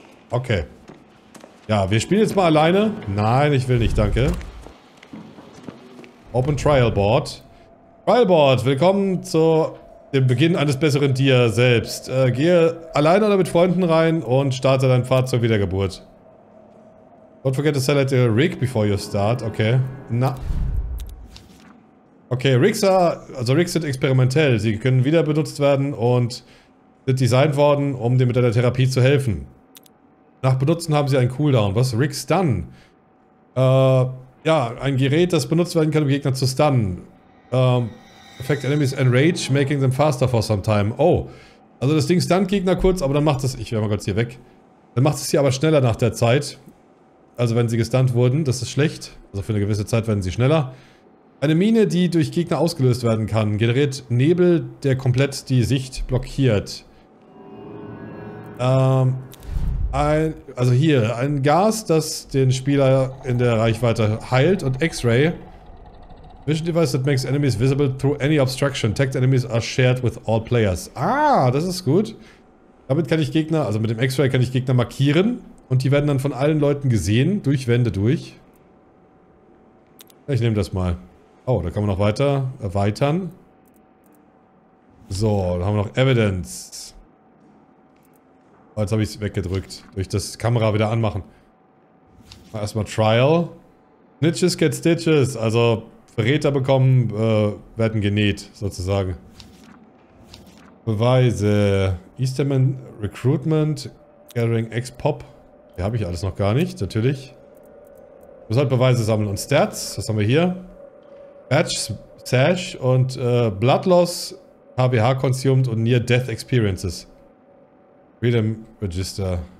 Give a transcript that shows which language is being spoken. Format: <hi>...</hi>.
<de>Okay. Ja, wir spielen jetzt mal alleine. Nein, ich will nicht, danke.</de> <en>Open Trial Board.</en> <de>Trial Board, willkommen zu dem Beginn eines besseren Dir selbst. Gehe alleine oder mit Freunden rein und starte dein Pfad zur Wiedergeburt.</de> <en>Don't forget to select a rig before you start.</en> <de>Okay. Na. Okay, Rigs sind experimentell. Sie können wieder benutzt werden und sind designt worden, um dir mit deiner Therapie zu helfen. Nach Benutzen haben sie einen Cooldown. Was? Rigs Stun? Ja, ein Gerät, das benutzt werden kann, um Gegner zu stunnen.</de> <en>Affect enemies enrage, making them faster for some time. Oh.</en> <de>Also das Ding stunnt Gegner kurz, aber dann macht es. Ich werde mal kurz hier weg. Dann macht es sie aber schneller nach der Zeit. Also wenn sie gestunt wurden, das ist schlecht. Also für eine gewisse Zeit werden sie schneller. Eine Mine, die durch Gegner ausgelöst werden kann, generiert Nebel, der komplett die Sicht blockiert. Also hier, ein Gas, das den Spieler in der Reichweite heilt und X-Ray.</de> <en>Vision Device that makes enemies visible through any obstruction. Tagged enemies are shared with all players.</en> <de>Ah, das ist gut. Damit kann ich Gegner, also mit dem X-Ray kann ich Gegner markieren. Und die werden dann von allen Leuten gesehen, durch Wände durch. Ich nehme das mal. Oh, da kann man noch weiter erweitern. So, da haben wir noch Evidence. Oh, jetzt habe ich es weggedrückt. Durch das Kamera wieder anmachen. Erstmal Trial.</de> <en>Snitches get stitches.</en> <de>Also Verräter bekommen, werden genäht, sozusagen. Beweise.</de> <en>Easterman Recruitment. Gathering X-Pop.</en> <de>Die habe ich alles noch gar nicht, natürlich. Du musst halt Beweise sammeln. Und Stats, was haben wir hier? Badge, Sash und Blood Loss, HBH Consumed und Near Death Experiences.</de> <en>Freedom Register.</en>